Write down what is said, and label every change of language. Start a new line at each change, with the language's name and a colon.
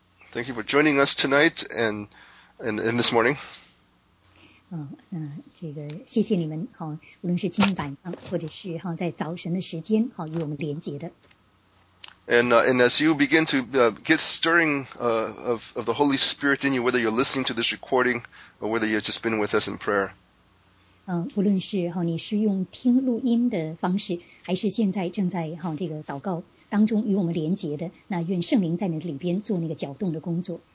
English: Thank you for joining us tonight and this morning.
Chinese: 这个谢谢你们无论是今天晚上或者是在早晨的时间与我们连接的。
English: And as you begin to get stirring of the Holy Spirit in you, whether you're listening to this recording or whether you've just been with us in prayer.
Chinese: 无论是你是用听录音的方式，还是现在正在这个祷告当中与我们连结的，那愿圣灵在你里边做那个搅动的工作。